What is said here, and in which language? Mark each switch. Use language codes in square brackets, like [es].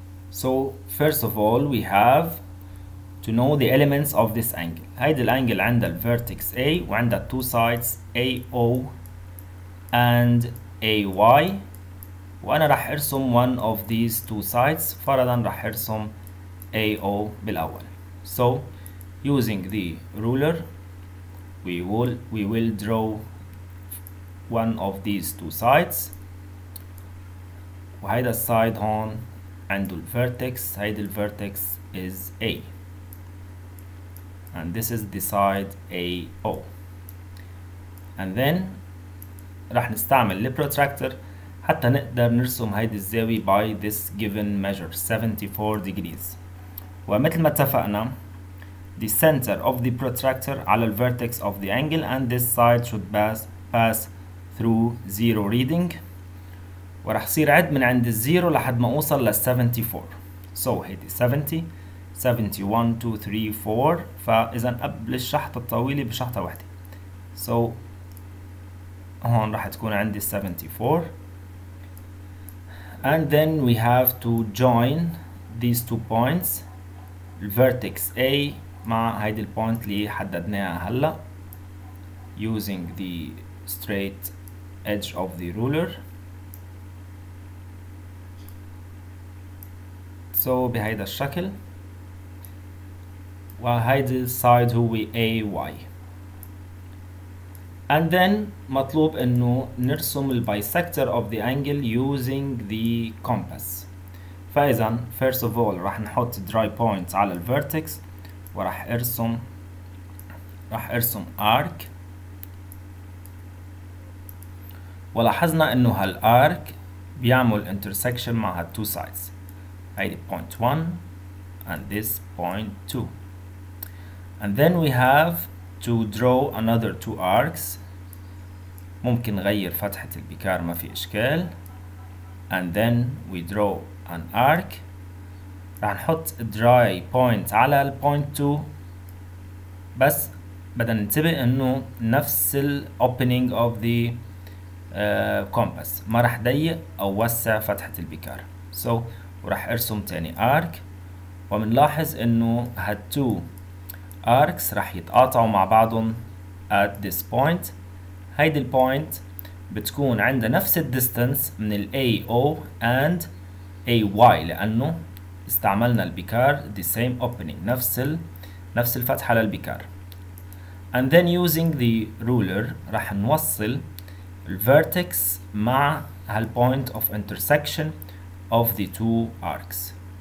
[en] So first of all we have to know the elements of this angle. [ar] هيدا الانجل عند الفيرتكس A وعند two sides AO and AY. وانا راح ارسم [en] one of these two sides. [ar] فرضا راح ارسم AO بالاول. [en] So using the ruler we will draw one of these two sides. [ar] وهيدا side هون عند الفيرتكس. هيدا الفيرتكس [en] is A. And this is the side AO. And then [ar] راح نستعمل البروتراكتر حتى نقدر نرسم هيدي الزاوية [en] by this given measure 74 degrees. [ar] ومثل ما اتفقنا [en] the center of the protractor [ar] على [en] ال vertex of the angle and this side should pass through zero reading. [ar] وراح صير عد من عند الزيرو لحد ما اوصل لل 74. So هيدي 70 71 2 3 4. فإذا قبل الشحطة الطويلة بشحطة واحدة. So هون راح تكون عندي 74. [en] And then we have to join these two points vertex A [ar] مع هيدي البوينت اللي حددناها هلا [en] using the straight edge of the ruler. [ar] So بهيدا الشكل. وهيدي السايد هو AY. [en] And then [ar] مطلوب انه نرسم [en] البايسكتر of the angle using the compass. [ar] فاذا [en] first of all [ar] راح نحط دراي بوينت على الفيرتكس وراح ارسم ارك. ولاحظنا انه هالارك بيعمل انترسكشن مع هالتو سايدز. هيدي [en] Point 1 and this point 2. And then we have to draw another two arcs. [ar] ممكن غير فتحة البكار ما في إشكال. [en] And then we draw an arc. [ar] راح نحط [en] dry point [ar] على ال point 2. بس بدنا ننتبه إنه نفس ال [en] opening of the compass. [ar] ما راح ضيق أو وسع فتحة البكار. So وراح أرسم تاني arc. ومنلاحظ إنه هاد [en] two arcs [ar] راح يتقاطعوا مع بعضهم [en] at this point. [ar] هيدي البوينت بتكون عند نفس الديستنس من ال AO and AY لانه استعملنا البكار [en] the same opening [ar] نفس الفتحة للبكار. [en] And then using the ruler [ar] راح نوصل الفيرتكس مع هالبوينت [en] of intersection of the two arcs.